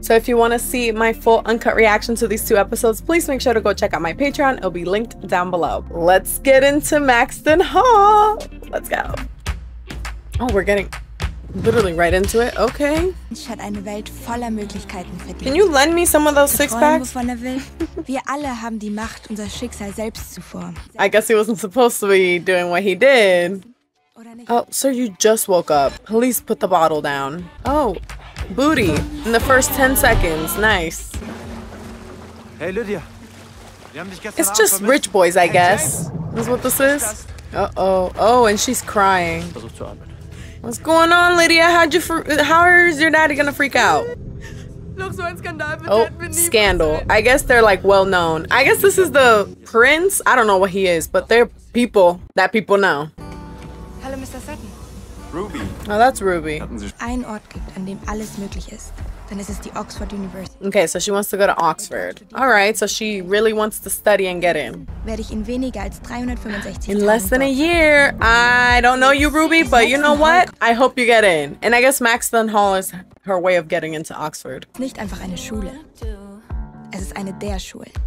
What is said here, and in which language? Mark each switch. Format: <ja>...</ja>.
<en>So if you want to see my full uncut reaction to these 2 episodes, please make sure to go check out my Patreon. It'll be linked down below. Let's get into Maxton Hall. Let's go. Oh, we're getting literally right into it. Okay. Can you lend me some of those six packs?</en> <de>Wir alle haben die Macht, unser Schicksal selbst zu formen.</de> <en>I guess he wasn't supposed to be doing what he did. Oh, sir, you just woke up. Please put the bottle down. Oh, booty in the first 10 seconds. Nice. Hey, Lydia. It's just rich boys, I guess. Is what this is? Uh-oh. Oh, and she's crying. What's going on, Lydia? How is your daddy going to freak out? Oh, scandal. I guess they're like well-known. I guess this is the prince. I don't know what he is, but they're people that people know. Ruby. Oh, that's Ruby.</en> <de>Ein Ort gibt, an dem alles möglich ist, dann ist es die Oxford University.</de> <en>Okay, so she wants to go to Oxford. All right, so she really wants to study and get in.</en> <de>Werde ich in weniger als 365</de> <en>in less than a year. I don't know you, Ruby, but you know what? I hope you get in. And I guess Maxton Hall is her way of getting into Oxford.</en> <de>Nicht einfach eine Schule. Es ist eine der Schule.</de>